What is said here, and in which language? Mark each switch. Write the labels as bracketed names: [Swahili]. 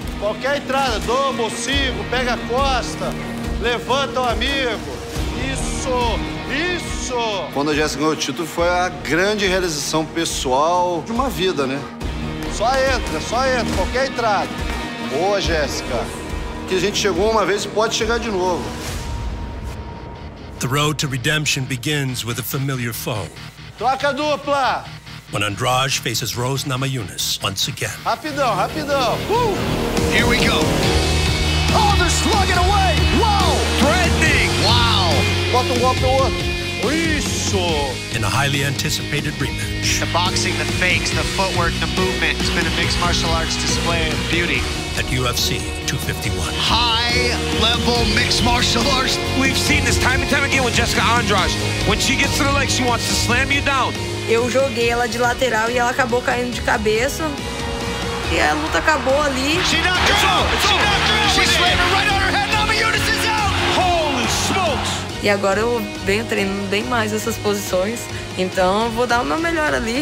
[Portuguese] Qualquer entrada, domo, cinco, pega a costa, levanta o amigo. Isso, isso! Quando a Jéssica ganhou o título, foi a grande realização pessoal de uma vida, né? Só entra, só entra, qualquer entrada. Boa, Jéssica. Que a gente chegou uma vez e pode chegar de novo. [English] The road to redemption begins with a familiar foe. [Portuguese] Troca dupla! [English] When Andrade faces Rose Mama Yunus once again. [Portuguese] Rapidão, rapidão. Woo! [English] Here we go. Oh, they're slugging away. Wow. Threatening. Wow. What the what the what? [Portuguese] Isso. [English] In a highly anticipated rematch. The boxing, the fakes, the footwork, the movement. It's been a mixed martial arts display of beauty. At UFC 251. High level mixed martial arts. We've seen this time and time again with Jessica Andrade. When she gets to the leg, she wants to slam you down. [Portuguese] Eu joguei ela de lateral e ela acabou caindo de cabeça. E a luta acabou ali. [English] She knocked her out! She knocked her out! She slammed her right on her head! Mama Yunus is out! Holy smokes! [Portuguese] E agora eu venho treinando bem mais essas posições. Então eu vou dar o meu melhor ali.